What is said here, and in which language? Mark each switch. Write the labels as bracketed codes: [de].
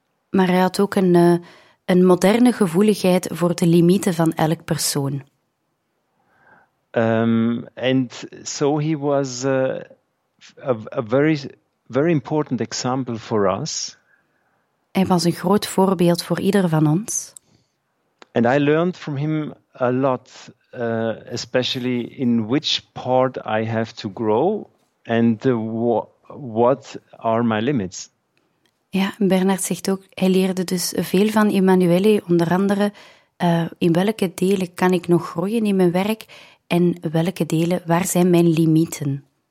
[nl] Maar hij had ook een moderne gevoeligheid voor de limieten van elk persoon. [en] And so he was a very, very important example for us. [nl] Hij was een groot voorbeeld voor ieder van ons. [en] And I learned from him a lot, especially in which part I have to grow and what are my limits. [nl] Ja, Bernard zegt ook, hij leerde dus veel van Emmanuele, onder andere in welke delen kan ik nog groeien in mijn werk en welke delen, waar zijn mijn limieten?